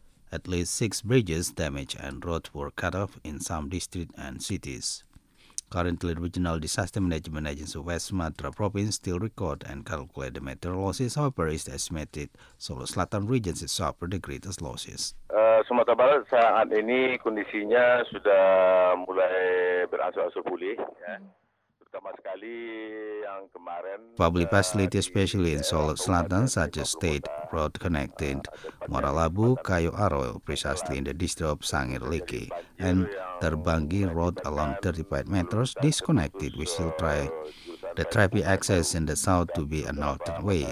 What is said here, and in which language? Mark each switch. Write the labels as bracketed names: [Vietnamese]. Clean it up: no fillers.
[English] At least 6 bridges damaged and roads were cut off in some districts and cities. Currently, Regional Disaster Management Agency of West Sumatra Province still record and calculate the material losses. However, it's estimated Solo Selatan region is suffering the greatest losses. [Indonesian] Sumatera Barat saat ini kondisinya sudah mulai berangsur-angsur pulih. Terutama sekali yang kemarin. [English] Public facilities, especially in Solo Selatan, such as state road connecting Moralabu, Kayu Aroil, precisely in the district of Sangir Liki, and Terbanggi Road along 35 meters disconnected. We still try the traffic access in the south to be an altered way.